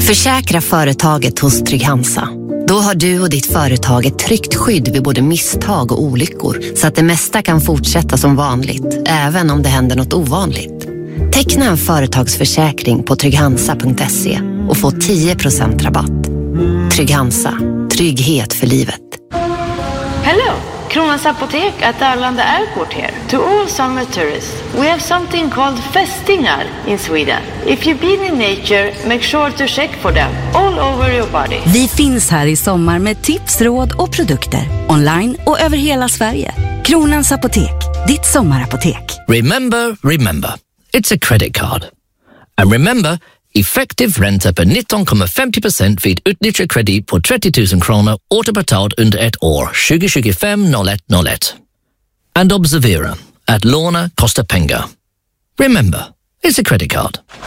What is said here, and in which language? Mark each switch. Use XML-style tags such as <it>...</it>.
<sv>Försäkra företaget hos Trygg Hansa. Då har du och ditt företag ett tryggt skydd vid både misstag och olyckor så att det mesta kan fortsätta som vanligt, även om det händer något ovanligt. Teckna en företagsförsäkring på trygghansa.se och få 10% rabatt. Trygg Hansa. Trygghet för livet.</sv> <en>Hello! Kronans apotek at Arlanda Airport here. To all summer tourists, we have something called festingar in Sweden. If you've been in nature, make sure to check for them all over your body.</en> <sv>Vi finns här i sommar med tips, råd och produkter. Online och över hela Sverige. Kronans apotek. ditt sommarapotek.</sv> <en>Remember, remember. It's a credit card. And remember,</en> <sv>effective ränta på 19,50% vid utnyttjad kredit på 30 000 kronor återbetalt under ett år, 2025-01-01. And observera att låna kostar pengar.</sv> <en>Remember, it's a credit card.</en>